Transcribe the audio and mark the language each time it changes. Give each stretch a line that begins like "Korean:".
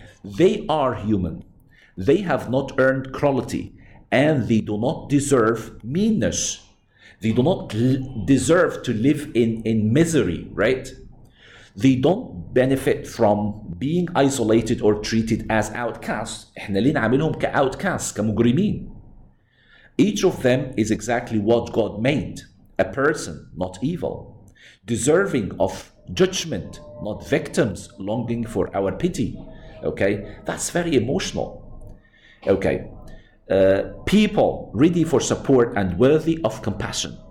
English: They are human. They have not earned quality. And they do not deserve meanness. They do not deserve to live in misery, right? They don't benefit from being isolated or treated as outcasts.
Arabic: إحنا ليه نعملهم كoutcasts, كمجرمين.
English: Each of them is exactly what God made. A person, not evil. Deserving of judgment, not victims longing for our pity. Okay, that's very emotional. Okay. People ready for support and worthy of compassion.